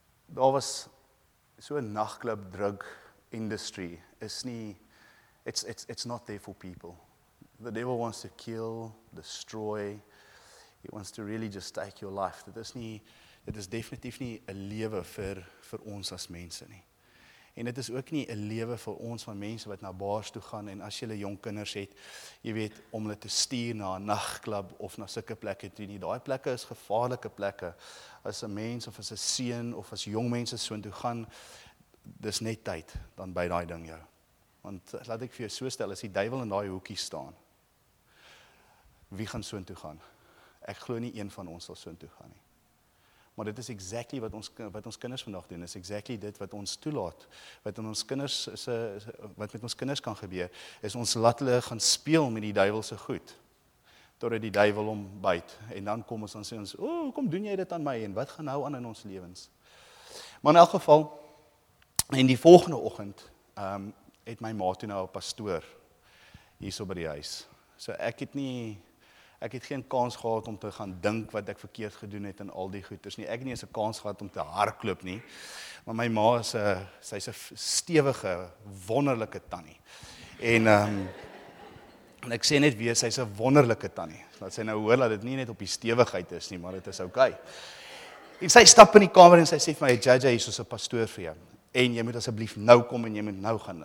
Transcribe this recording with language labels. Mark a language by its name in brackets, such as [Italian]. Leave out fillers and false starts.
[Afrikaans] Daar was so 'n nachtklub drug industry, is nie, [English] it's not there for people. The devil wants to kill, destroy, he wants to really just take your life. [Afrikaans] Dit is definitief nie 'n lewe vir ons as mense nie. En dit is ook nie 'n lewe vir ons van mense wat na bars toe gaan en as jy hulle jong kinders het, jy weet, om hulle te stuur na 'n nagklub of na sulke plekke toe nie. Daai plekke is gevaarlike plekke. As 'n mens of as 'n seun of as jong mense so intoe gaan, dis net tyd dan by daai ding jou. Want laat ek vir jou so stel, as die duiwel in daai hoekie staan, wie gaan so intoe gaan? Ek glo nie een van ons sal so intoe gaan nie. Maar dit is exactly wat ons kinders vandag doen. Is exactly dit wat ons toelaat, wat met ons kinders kan gebeur, is ons laat hulle gaan speel met die duiwelse goed, totdat die duiwel hom byt. En dan kom ons en sê ons, "Ooh, hoekom doen jy dit aan my en wat gaan nou aan in ons lewens?" Maar in elk geval, en die volgende oggend, het my ma toe nou 'n pastoor hierso by die huis. So ek het geen kans gehad om te gaan dink wat ek verkeerd gedoen het in al die goeters nie. Ek het nie eens 'n kans gehad om te hardloop nie. Maar my ma is sy's 'n stewige, wonderlike tannie. En ek sê net weer, sy's 'n wonderlike tannie. Laat sy nou hoor dat dit nie net op die stewigheid is nie, maar dit is okay. En sy stap in die kamer en sy sê vir my, "JJ, hier is 'n pastoor vir jou. En jy moet asseblief nou kom en jy moet nou gaan."